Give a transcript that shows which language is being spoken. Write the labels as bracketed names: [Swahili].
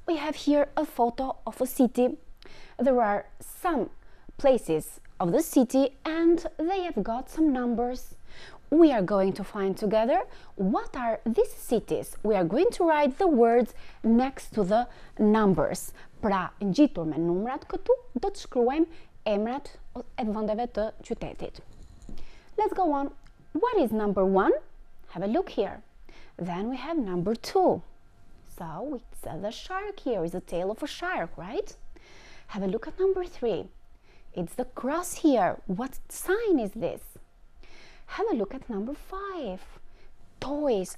[English] We have here a photo of a city. There are some places of the city and they have got some numbers. We are going to find together what are these cities. We are going to write the words next to the numbers. [Albanian] Pra, ngjitur me numrat këtu, do të shkruajmë emrat e vendeve të qytetit. [English] Let's go on. What is number one? Have a look here. Then we have number two. So we saw the shark here. It's the tail of a shark, right? Have a look at number three. It's the cross here. What sign is this? Have a look at number five. Toys.